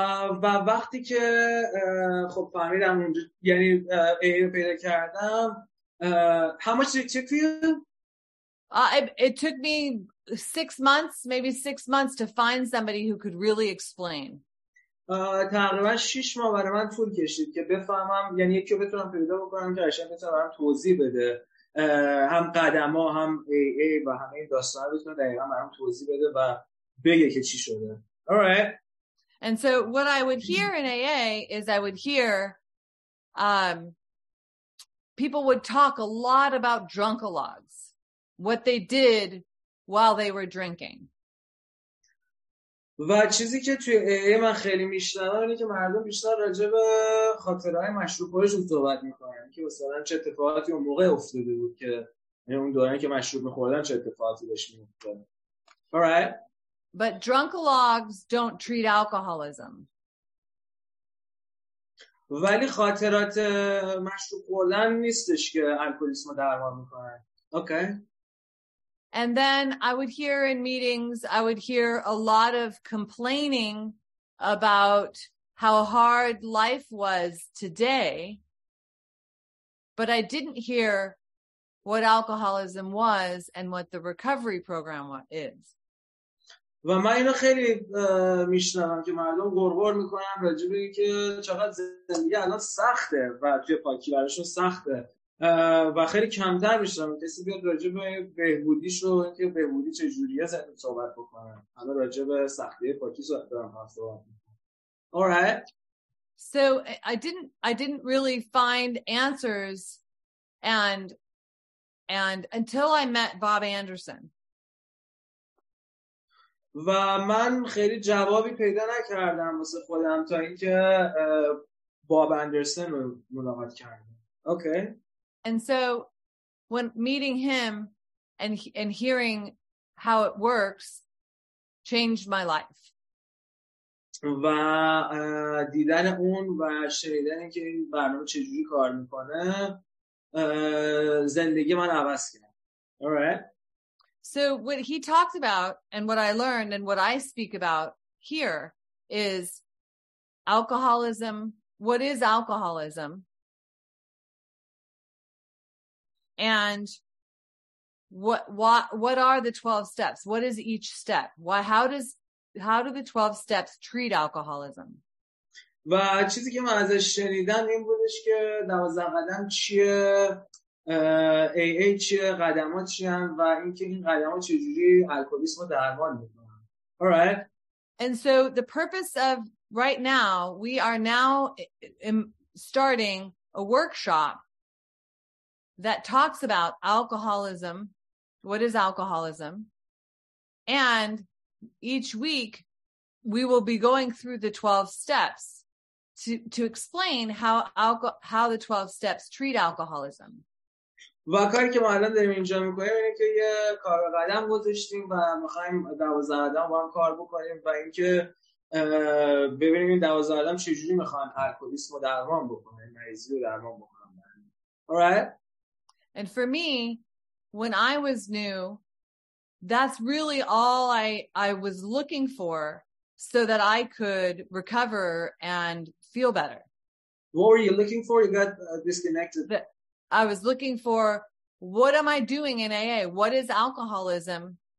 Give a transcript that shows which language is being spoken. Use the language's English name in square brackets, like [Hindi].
[Persian] و وقتی که خب فهمیدم اونجا یعنی AA رو پیدا کردم [English] how much did it take for you? It took me 6 months, maybe 6 months, to find somebody who could really explain. [Persian] تقریبا 6 ماه برای من طول کشید که بفهمم یعنی یکی رو بتونم پیدا بکنم که اشان بتونم توضیح بده هم قدم ها هم AA و همه این داستان ها بتونم دقیقا برام توضیح بده و بگه که چی شده. [English] All right. And so what I would hear in AA is I would hear people would talk a lot about drunkologues, what they did while they were drinking. [Persian] و چیزی که توی AA من خیلی میشنوم اینه که مردم بیشتر راجع به خاطره‌های مشروب‌خوریشون صحبت می‌کنن که مثلا چه اتفاقاتی اون موقع افتاده بود که اون دوران که مشروب می‌خوردن چه اتفاقاتی داشت می‌افتاد. [English] All right. But drunkologues don't treat alcoholism. [Persian] ولی خاطرات مشروب خوردن نیستش که الکلیسم رو درمان می‌کنه. [English] Okay. And then I would hear in meetings, I would hear a lot of complaining about how hard life was today, but I didn't hear what alcoholism was and what the recovery program is. [Persian] و من اینو خیلی میشنوم که مردم غرغر میکنن راجع به اینکه چقدر زندگی الان سخته و توی پاکی براشون سخته. و خیلی کمتر میشنم کسی بیاد راجع به بهبودیش رو اینکه بهبودی چه جوریه زدن صحبت بکنه. حالا راجع به سختی پاکی صحبت دارم حرف دارم. [English] All right. So I didn't really find answers and until I met Bob Anderson. [Persian] و من خیلی جوابی پیدا نکردم واسه خودم تا اینکه باب اندرسن رو ملاقات کردم. [English] Okay. And so when meeting him and hearing how it works changed my life. [Persian] و دیدن اون و شنیدن که این برنامه چجوری کار میکنه زندگی من عوض کرد. [English] Alright. So what he talked about and what I learned and what I speak about here is alcoholism. What is alcoholism? And what are the 12 steps? What is each step? Why, how do the 12 steps treat alcoholism? [Persian] و چیزی که من ازش شنیدم این بودش که 12 قدم چیه، AA چیه، قدمات چی هم و اینکه این قدمات چجوری الکلیسم رو درمان می‌کنن. [English] All right. And so the purpose of right now, we are now starting a workshop that talks about alcoholism, what is alcoholism, and each week we will be going through the 12 steps to explain how the 12 steps treat alcoholism. [Persian] و کاری که ما الان داریم اینجا میکنیم اینه که یه کار قدم گذاشتیم و میخواییم 12 قدم با هم کار بکنیم و اینکه ببینیم این 12 قدم چجوری میخواهن الکولیسم رو درمان بکنن، مریضی رو درمان بکنن. [English] Alright? And for me, when I was new, that's really all I was looking for so that I could recover and feel better. What were you looking for? You got disconnected. I was looking for, what am I doing in AA? What is alcoholism?